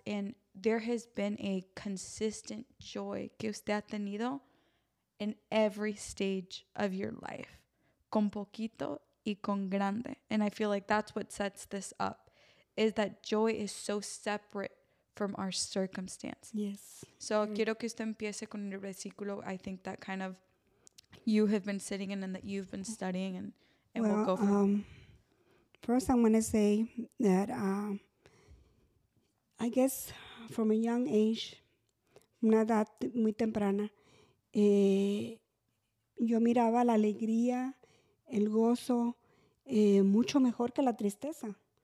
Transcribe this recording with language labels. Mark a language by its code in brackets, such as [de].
[en] And there has been a consistent joy [es] que usted ha tenido [en] in every stage of your life, [es] con poquito y con grande. [en] And I feel like that's what sets this up, is that joy is so separate from our circumstance. Yes. [es] So quiero que usted empiece con un versículo. [en] I think that kind of you have been sitting in and that you've been studying, and well, we'll go from First, I want to say that I guess from a young age, [es] una edad muy temprana, yo miraba la alegría, el gozo, mucho mejor que la tristeza.